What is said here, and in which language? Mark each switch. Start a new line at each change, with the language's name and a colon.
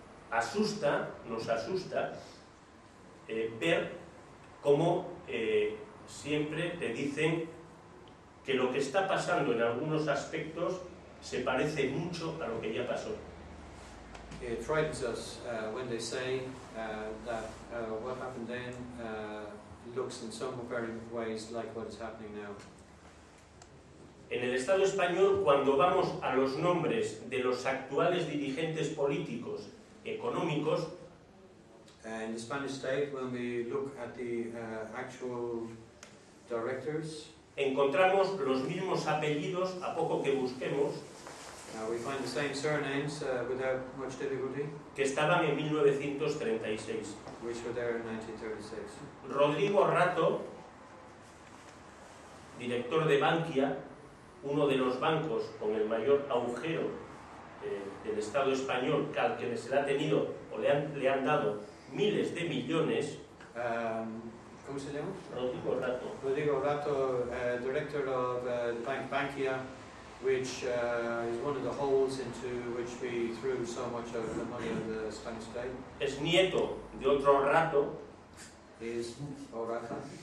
Spanish: Asusta, nos asusta ver cómo siempre te dicen que lo que está pasando en algunos aspectos se parece mucho a lo que ya pasó.
English: It frightens us when they say that what happened then looks in some very ways like what is happening now.
Spanish: En el Estado español, cuando vamos a los nombres de los actuales dirigentes políticos, económicos,
English: in the Spanish state, when we look at the actual directors,
Spanish: encontramos los mismos apellidos a poco que busquemos.
English: We find the same surnames without much difficulty.
Spanish: Que estaban en 1936.
English: Which were there in 1936.
Spanish: Rodrigo Rato, director de Bankia, uno de los bancos con el mayor agujero del Estado español, al que se le ha tenido o le han dado miles de millones. ¿Cómo se llama? Rodrigo Rato.
English: Rodrigo Rato, director of the bank Bankia, which is one of the holes into which we threw so much of the money of the Spanish state.
Spanish: Es nieto de otro Rato.
English: Is Orata.